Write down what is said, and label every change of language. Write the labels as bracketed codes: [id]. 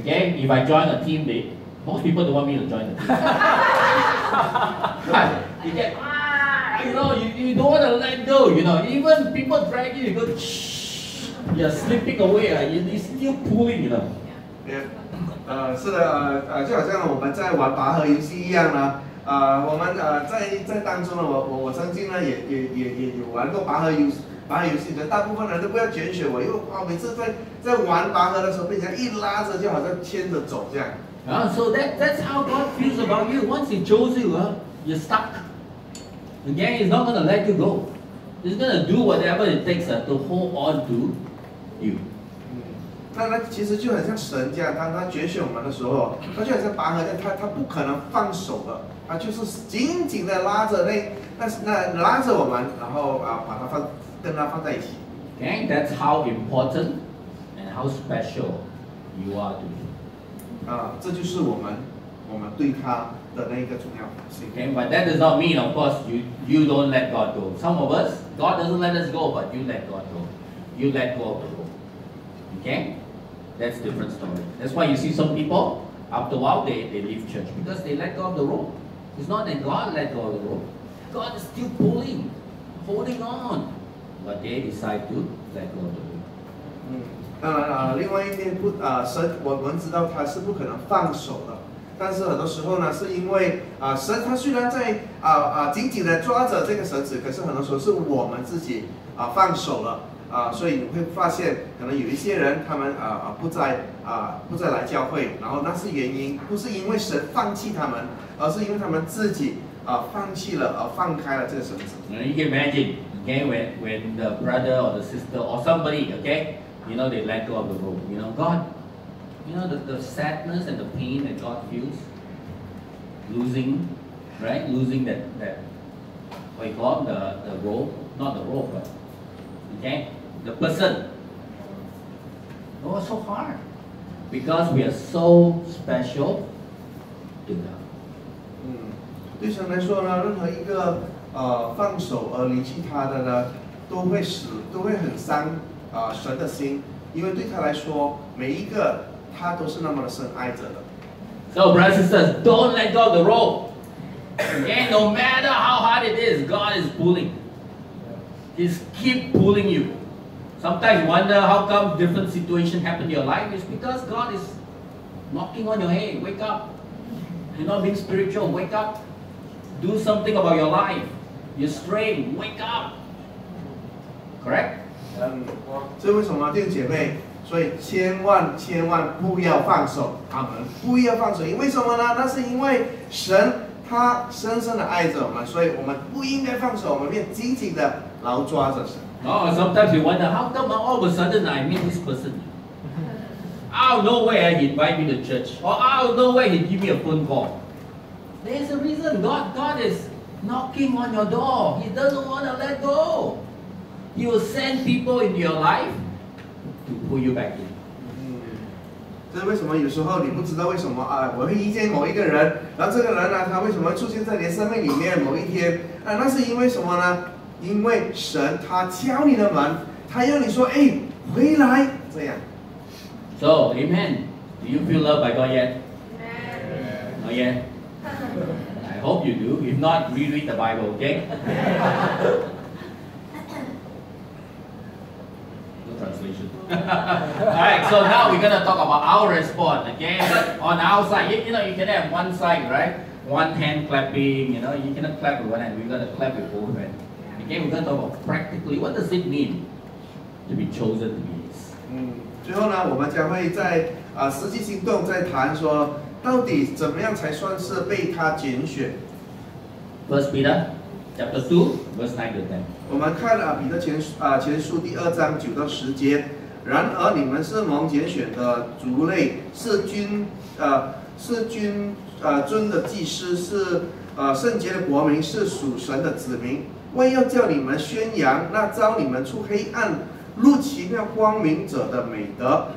[en] Okay, if I join a team, most people don't want me to join the team. You get, you don't want to let go, you know. Even people drag you, you go, shh. You're slipping away, you're still pulling, you know. Yeah. [zh] 是的，就好像我们在玩拔河游戏一样呢。我们在当中呢，我曾经呢也有玩过拔河游戏。拔河游戏的大部分人都不要卷雪，我又每次在玩拔河的时候，被人家一拉着，就好像牵着走这样。 [en] So that's how God feels about you. Once He chose you, you're stuck. Again, He's not gonna let you go. He's gonna do whatever it takes to hold on to you. [zh] 那其实就很像神这样，当他拣选我们的时候，他就好像拔河一样，他不可能放手的，他就是紧紧的拉着那拉着我们，然后把它放。跟他放在一起。 [en] Okay, that's how important and how special you are to him. [zh] 这就是我们对他的那个重要性。 [en] Okay, but that does not mean, of course, you don't let God go. Some of us, God doesn't let us go, but you let God go. You let go of the hope. Okay, that's a different story. That's why you see some people, after a while, they leave church because they let go of the rope. It's not that God let go of the rope. God is still pulling, holding on. But they decide to let go of the rope. [zh] 当然了，另外一边神，我们知道他是不可能放手的。但是很多时候呢，是因为神他虽然在紧紧的抓着这个绳子，可是很多时候是我们自己放手了所以你会发现，可能有一些人他们不再来教会，然后那是原因，不是因为神放弃他们，而是因为他们自己放弃了放开了这个绳子。 [en] You can imagine. Okay, when the brother or the sister or somebody, okay, you know, they let go of the rope, you know, God, you know, the sadness and the pain that God feels, losing, right, losing the rope, not the rope, but, okay, the person, it was so hard, because we are so special to God. [zh] 对神来说呢，任何一个放手而离弃他的呢，都会很伤神的心，因为对他来说，每一个他都是那么的深爱着的。 [en] So brothers and sisters, don't let go of the rope. Okay, no matter how hard it is, God is pulling. He's keep pulling you. Sometimes you wonder how come different situation happen in your life. It's because God is knocking on your head. Wake up. You're not being spiritual. Wake up. Do something about your life. You're strained. Wake up. Correct? [zh] 这为什么弟兄姐妹？所以千万千万不要放手，阿门！不要放手，为什么呢？那是因为神他深深的爱着我们，所以我们不应该放手，我们要紧紧的牢抓着神。 [en] Sometimes you wonder how come all of a sudden I meet this person. Out of nowhere he invite me to church, or out of nowhere he give me a phone call. There's a reason God is knocking on your door. He doesn't want to let go. He will send people into your life to pull you back in. [zh] 这是为什么有时候你不知道为什么我会遇见某一个人，然后这个人呢，他为什么出现在你的生命里面某一天那是因为什么呢？因为神他敲你的门，他要你说回来这样。 [en] So, amen. Do you feel loved by God yet? Amen. Not yet. I hope you do. If not, reread the Bible, okay? No translation. Alright, so now we're going to talk about our response, okay? On our side, you know, you can have one side, right? one hand clapping, you know, you cannot clap with one hand, we've got to clap with both hands. Again, we're going to talk about practically, what does it mean to be chosen to be his? [zh] 最后呢，我们将会在实际行动再谈说，到底怎么样才算是被他拣选。 [en] First Peter, chapter 2, verse 9 to 10. [zh] 我们看彼得前书第二章九到十节。然而你们是蒙拣选的族类，是尊的祭司，是圣洁的国民，是属神的子民，为要叫你们宣扬那召你们出黑暗入奇妙光明者的美德。